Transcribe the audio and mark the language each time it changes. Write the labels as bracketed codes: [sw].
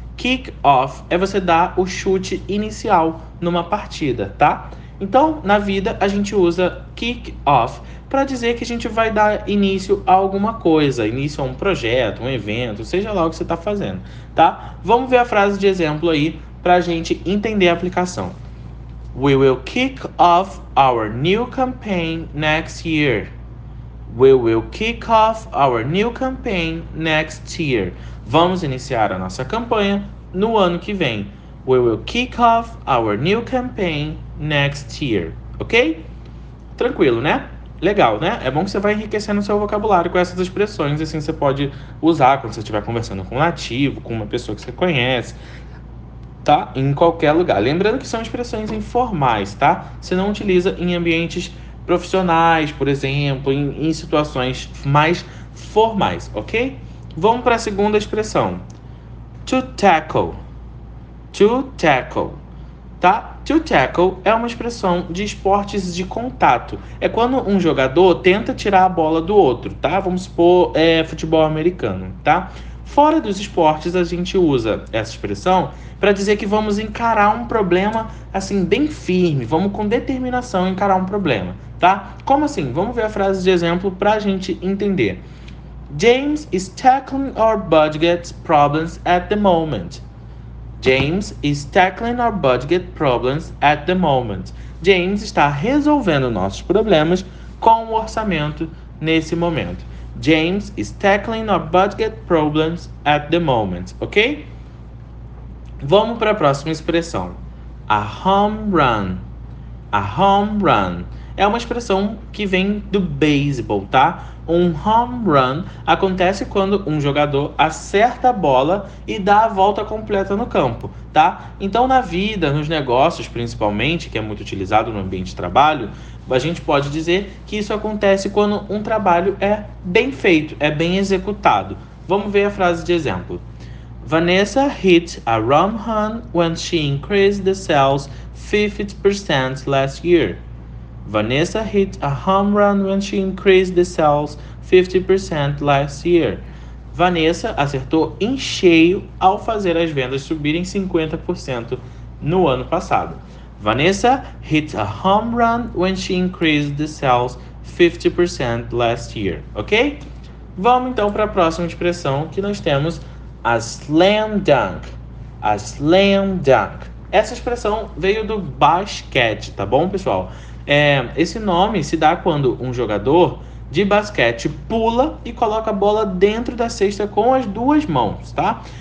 [pt] Kick off é você dar o chute inicial numa partida, tá? Então, na vida, a gente usa kick off para dizer que a gente vai dar início a alguma coisa, início a um projeto, um evento, seja lá o que você está fazendo, tá? Vamos ver a frase de exemplo aí para a gente entender a aplicação. [en] We will kick off our new campaign next year. We will kick off our new campaign next year. [pt] Vamos iniciar a nossa campanha no ano que vem. [en] We will kick off our new campaign next year, ok? [pt] Tranquilo, né? Legal, né? É bom que você vai enriquecendo o seu vocabulário com essas expressões, assim você pode usar quando você estiver conversando com um nativo, com uma pessoa que você conhece, tá? Em qualquer lugar. Lembrando que são expressões informais, tá? Você não utiliza em ambientes profissionais, por exemplo, em situações mais formais, ok? Vamos para a segunda expressão. To tackle. To tackle, tá? To tackle é uma expressão de esportes de contato. É quando um jogador tenta tirar a bola do outro, tá? Vamos supor, futebol americano, tá? Fora dos esportes, a gente usa essa expressão para dizer que vamos encarar um problema, assim, bem firme. Vamos com determinação encarar um problema, tá? Como assim? Vamos ver a frase de exemplo para a gente entender. [en] James is tackling our budget problems at the moment. James is tackling our budget problems at the moment. [pt] James está resolvendo nossos problemas com o orçamento nesse momento. [en] James is tackling our budget problems at the moment, ok? [pt] Vamos para a próxima expressão. A home run. A home run. É uma expressão que vem do beisebol, tá? Um home run acontece quando um jogador acerta a bola e dá a volta completa no campo, tá? Então, na vida, nos negócios principalmente, que é muito utilizado no ambiente de trabalho, a gente pode dizer que isso acontece quando um trabalho é bem feito, é bem executado. Vamos ver a frase de exemplo. [en] Vanessa hit a home run when she increased the sales 50% last year. Vanessa hit a home run when she increased the sales 50% last year. [pt] Vanessa acertou em cheio ao fazer as vendas subirem 50% no ano passado. [en] Vanessa hit a home run when she increased the sales 50% last year, ok? [pt] Vamos então para a próxima expressão que nós temos, a slam dunk. A slam dunk. Essa expressão veio do basquete, tá bom, pessoal? Esse nome se dá quando um jogador de basquete pula e coloca a bola dentro da cesta com as duas mãos, tá?